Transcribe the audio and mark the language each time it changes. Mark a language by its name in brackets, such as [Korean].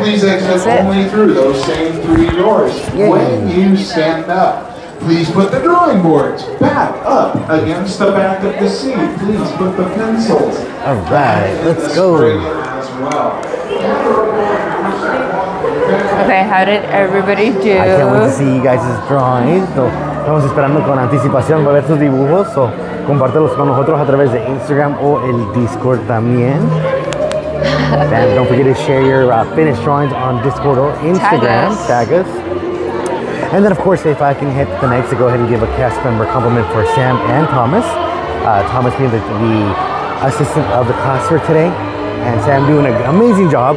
[English] Please exit only through those same three doors. When you stand up, please put the drawing boards back up against the back of the seat. Please put the pencils. All right, let's go. As well. Okay, how did everybody do? I can't wait to see you guys' drawings. [Spanish] Estamos esperando con anticipación para ver sus dibujos o compártelos con nosotros a través de Instagram o el Discord también. [English] And don't forget to share your finished drawings on Discord or Instagram. Tag us. And then, of course, if I can hit the next to go ahead and give a cast member compliment for Sam and Thomas. Thomas being the assistant of the class for today. And Sam doing an amazing job.